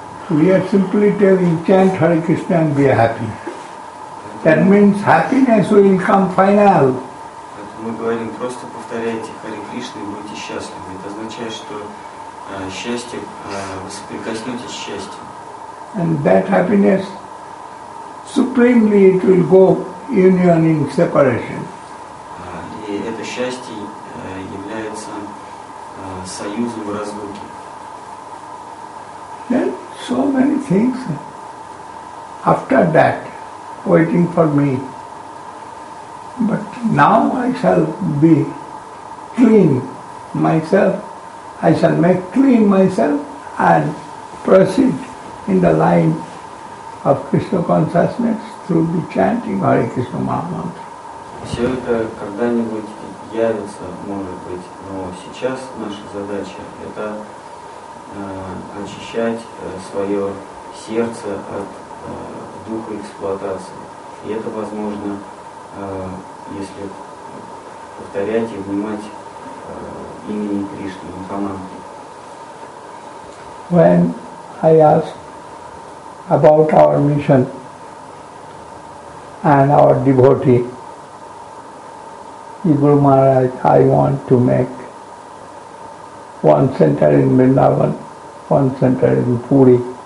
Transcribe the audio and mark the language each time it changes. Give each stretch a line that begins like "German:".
English: We are simply telling, chant Hare Krishna and be happy. That means happiness will come final.
Russian: Мы говорим, просто повторяйте Харе Кришна и будете счастливы. Это означает, что счастье, вы соприкоснетесь с счастьем.
English: And that happiness, supremely it will go union in separation.
Russian: И это счастье является союзом в разлуке.
English: Then so many things after that waiting for me. But now I shall be clean myself. I shall make clean myself and proceed in the line of Krishna consciousness through the chanting Hare Krishna Mahamantra.
Russian: Все это когда-нибудь явится, может быть, но сейчас наша задача это очищать свое сердце от духа эксплуатации. И это возможно, если повторять и внимать имени Кришны Махамантру.
English: When I asked about our mission and our devotee, Guru Maharaj, I want to make one center in Vrindavan, one center in Puri.